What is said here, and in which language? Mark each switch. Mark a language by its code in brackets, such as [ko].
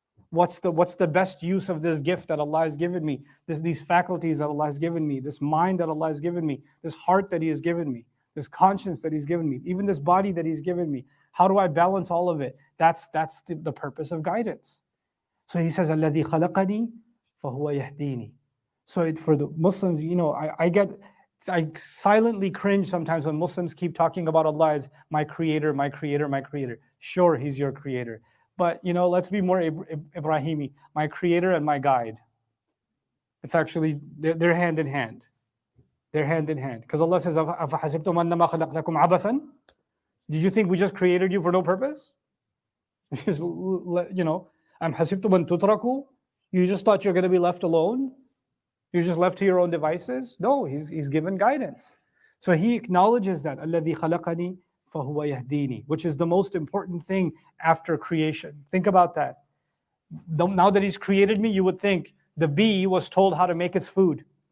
[en] What's the best use of this gift that Allah has given me? These faculties that Allah has given me, this mind that Allah has given me, this heart that He has given me, this conscience that He's given me, even this body that He's given me. How do I balance all of it? That's the purpose of guidance. So he says, [ar] الَّذِي خَلَقَنِي فَهُوَ يَهْدِينِي. [en] So for the Muslims, you know, I silently cringe sometimes when Muslims keep talking about Allah as my creator, my creator, my creator. Sure, He's your creator. But, you know, let's be more Ibrahimi. My creator and my guide. It's actually, they're hand in hand. They're hand in hand. Because Allah says, [ar] أَفَحَسِبْتُمْ أَنَّمَا خَلَقْنَاكُمْ عَبَثًا? [en] Did you think we just created you for no purpose? You know, [ar] أَمْحَسِبْتُمْ أَن تُتْرَكُوا? [en] You just thought you're going to be left alone? You're just left to your own devices? No, he's given guidance. So he acknowledges that, [ar] الَّذِي خَلَقَنِي فَهُوَ يَهْدِينِي, [en] which is the most important thing after creation. Think about that. Now that he's created me, you would think the bee was told how to make its food.